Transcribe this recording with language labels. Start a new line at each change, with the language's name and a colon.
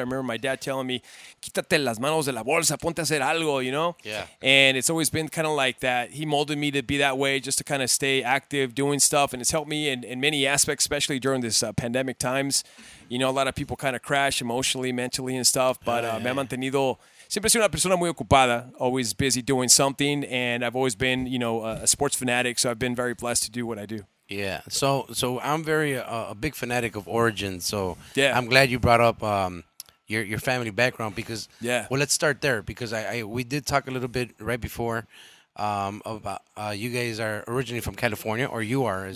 English: I remember my dad telling me,
Spanish: quítate las manos de la bolsa, ponte a hacer algo,
English: you know? Yeah. And it's always been kind of like that. He molded me to be that way, just to kind of stay active, doing stuff. And it's helped me in many aspects, especially during this pandemic times. You know, a lot of people kind of crash emotionally, mentally and stuff.
Spanish: But me ha mantenido... Siempre soy una persona muy ocupada,
English: always busy doing something. And I've always been, you know, a sports fanatic, so I've been very blessed to do what I do. Yeah, so I'm very a big fanatic of origin. So yeah. I'm glad you brought up your family background because yeah. Well, let's start there because we did talk a little bit right before about you guys are originally from California or you are as